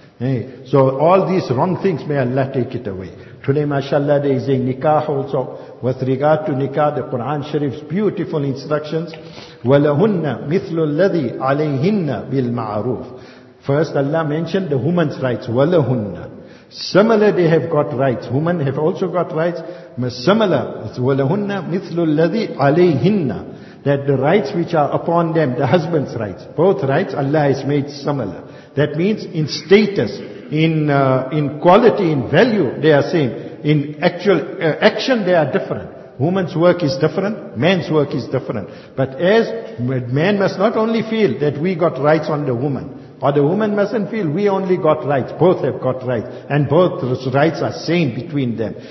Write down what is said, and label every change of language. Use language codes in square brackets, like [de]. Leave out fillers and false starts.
[en] Hey, so all these wrong things, may Allah take it away. Today, mashallah, there is a nikah also. With regard to nikah, the Quran Sharif's beautiful instructions. [ar] وَلَهُنَّ مِثْلُ الَّذِي عَلَيْهِنَّ بِالْمَعْرُوفِ. [en] First, Allah mentioned the woman's rights. [ar] وَلَهُنَّ. [en] Similar, they have got rights. Women have also got rights. Similar, [ar] وَلَهُنَّ مِثْلُ الَّذِي عَلَيْهِنَّ. [en] That the rights which are upon them, the husband's rights, both rights, Allah has made similar. That means in status, in quality, in value, they are same. In actual action, they are different. Woman's work is different, man's work is different. But as man must not only feel that we got rights on the woman, or the woman mustn't feel we only got rights, both have got rights, and both rights are same between them.